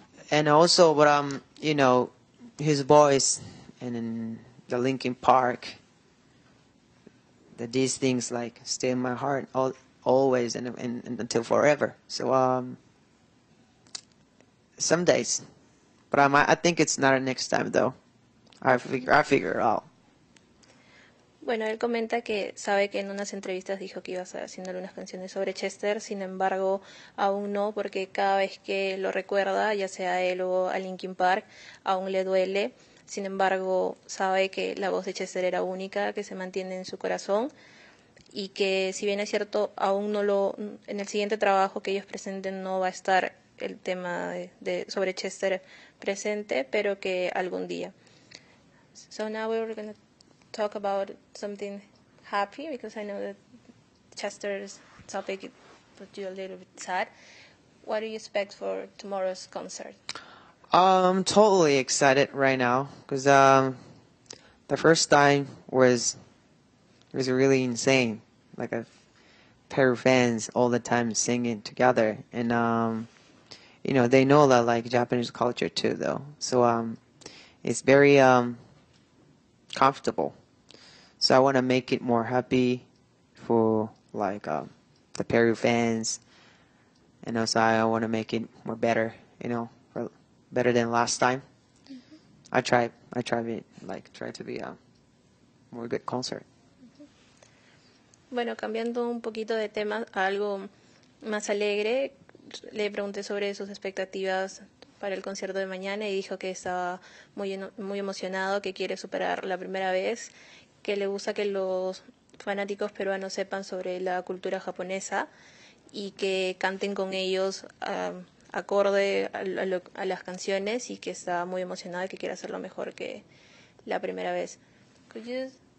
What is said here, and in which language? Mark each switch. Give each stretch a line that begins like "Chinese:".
English: And also, but you know, his voice and then the Linkin Park, that these things like stay in my heart always and until forever. So some days, but I think it's not next time though. I figure it out.
Spanish: Bueno, él comenta que sabe que en unas entrevistas dijo que iba a estar haciendo algunas canciones sobre Chester, sin embargo, aún no, porque cada vez que lo recuerda, ya sea a él o a Linkin Park, aún le duele. Sin embargo, sabe que la voz de Chester era única, que se mantiene en su corazón, y que si bien es cierto, aún no lo, en el siguiente trabajo que ellos presenten no va a estar el tema sobre Chester presente, pero que algún día.
English: So now we're going to talk about something happy, because I know that Chester's topic put you a little bit sad. What do you expect for tomorrow's concert? I'm totally excited right now, because the first time was really insane, like a pair of fans all the time singing together, and you know, they know that like Japanese culture too though, so it's very comfortable. So I want to make it more happy for like the Peru fans, and also I want to make it more better, you know, for better than last time. Mm-hmm. I try to be a more good concert. Mm-hmm.
Spanish: Bueno, cambiando un poquito de tema a algo más alegre, le pregunté sobre sus expectativas para el concierto de mañana y dijo que estaba muy emocionado, que quiere superar la primera vez, que le gusta que los fanáticos peruanos sepan sobre la cultura japonesa y que canten con ellos acorde a las canciones y que está muy emocionada y que quiere hacerlo mejor que la primera vez.
English: Could you